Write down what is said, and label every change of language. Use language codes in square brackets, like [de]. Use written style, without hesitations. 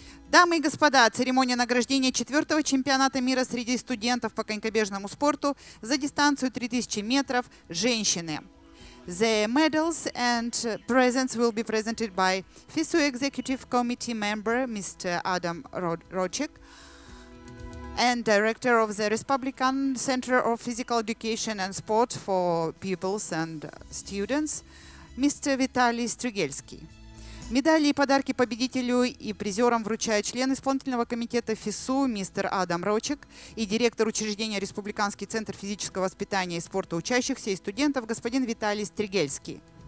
[ru] Дамы и господа, церемония награждения 4-го чемпионата мира среди студентов по конькобежному спорту за дистанцию 3000 метров, женщины. [en] The medals and presents will be presented by FISU Executive Committee member Mr. Adam Rochek and director of the Republican Center of Physical Education and Sport for Pupils and Students, Mr. Vitaly Strugelsky. [ru] Медали и подарки победителю и призерам вручают член исполнительного комитета ФИСУ мистер Адам Рочек и директор учреждения Республиканский центр физического воспитания и спорта учащихся и студентов господин Виталий Стригельский.